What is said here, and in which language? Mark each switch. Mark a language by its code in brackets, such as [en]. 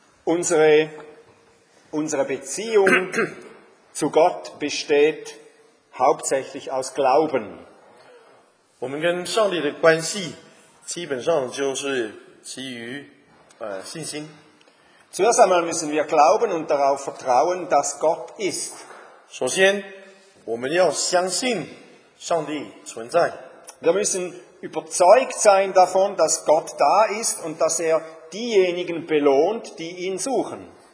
[de] Unsere Beziehung zu Gott besteht hauptsächlich aus Glauben. [zh] 我们跟上帝的关系基本上就是基于信心。 [de] Zuerst einmal müssen wir glauben und darauf vertrauen, dass Gott ist. [zh] 首先,我们要相信上帝存在。 [de] Wir müssen überzeugt sein davon, dass Gott da ist und dass er diejenigen belohnt, die ihn suchen.